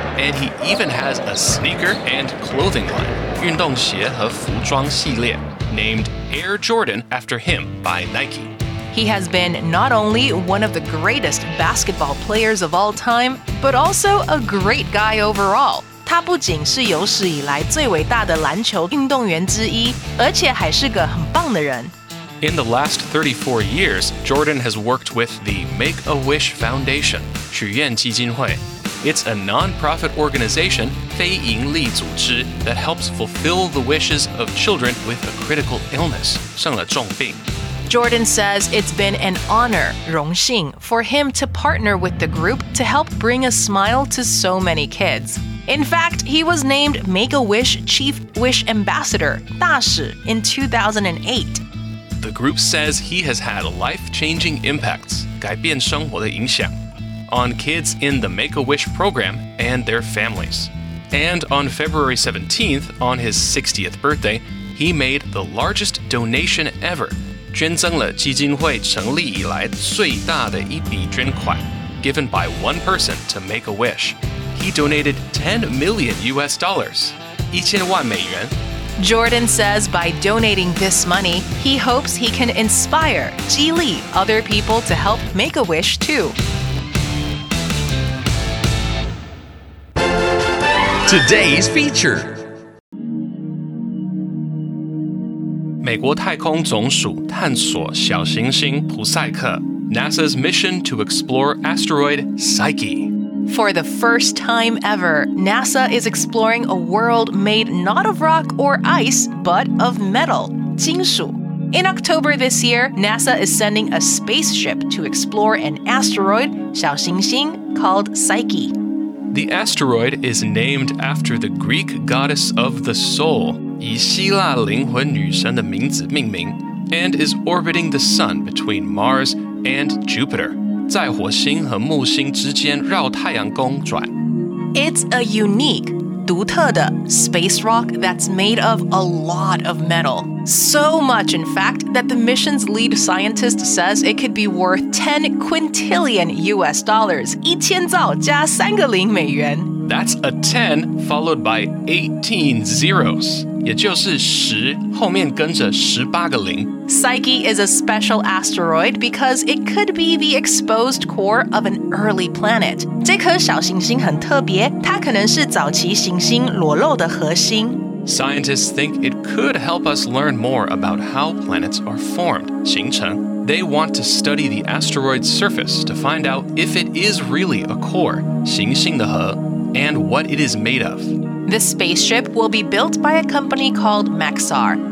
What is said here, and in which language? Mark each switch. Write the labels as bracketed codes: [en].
[en] and he even has a sneaker and clothing line, [zh] 运动鞋和服装系列, [en] named Air Jordan after him by Nike. He has been not only one of the greatest basketball players of all time, but also a great guy overall. [zh] 他不仅是有史以来最伟大的篮球运动员之一，而且还是个很棒的人。 [en] In the last 34 years, Jordan has worked with the Make-A-Wish Foundation, [zh] 许愿基金会。 [en] It's a non-profit organization, [zh] 非盈利组织, [en] that helps fulfill the wishes of children with a critical illness, [zh] 生了重病。 [en] Jordan says it's been an honor, 荣幸, for him to partner with the group to help bring a smile to so many kids. In fact, he was named Make-A-Wish Chief Wish Ambassador, 大使, in 2008. The group says he has had life-changing impacts, [zh] 改变生活的影响, [en] on kids in the Make-A-Wish program and their families. And on February 17th, on his 60th birthday, he made the largest donation ever, [zh] 捐赠了基金会成立以来最大的一笔捐款 [en] given by one person to make a wish. He donated $10 million, [zh] 一千万美元。 [en] Jordan says by donating this money, he hopes he can inspire, 激励 other people to help make a wish too. Today's feature. [zh] 美国太空总署探索小行星普赛克 [en] NASA's mission to explore asteroid Psyche For the first time ever, NASA is exploring a world made not of rock or ice, but of metal, 金属. In October this year, NASA is sending a spaceship to explore an asteroid, 小行星, called Psyche. The asteroid is named after the Greek goddess of the soul, [zh] 以希腊灵魂女神的名字命名, [en] and is orbiting the sun between Mars and Jupiter. [zh] 在火星和木星之间绕太阳公转。 [en] It's a unique, 独特的 space rock that's made of a lot of metal. So much, in fact, that the mission's lead scientist says it could be worth 10 quintillion US dollars, [zh] 一千兆加三个零美元。 [en] That's a 10 followed by 18 zeros, [zh] 也就是十后面跟着十八个零。 [en] Psyche is a special asteroid because it could be the exposed core of an early planet. [zh] 这颗小行星很特别，它可能是早期行星裸露的核心。 [en] Scientists think it could help us learn more about how planets are formed, [zh] 形成。 [en] They want to study the asteroid's surface to find out if it is really a core, [zh] 行星的核, [en] and what it is made of. The spaceship will be built by a company called Maxar.